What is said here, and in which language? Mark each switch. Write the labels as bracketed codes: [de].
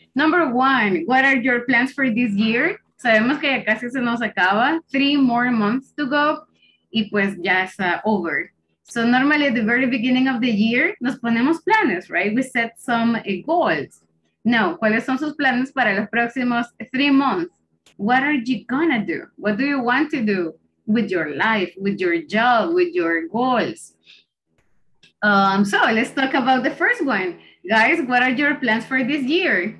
[en] Number 1, what are your plans for this year? [es] Sabemos que ya casi se nos acaba. [en] 3 more months to go. [es] Y pues ya está [en] over. So normally at the very beginning of the year, [es] nos ponemos planes, [en] right? We set some goals. [es] Now, ¿cuáles son sus planes para los próximos 3 months? [en] What are you gonna do? What do you want to do with your life, with your job, with your goals? So let's talk about the first one. Guys, what are your plans for this year?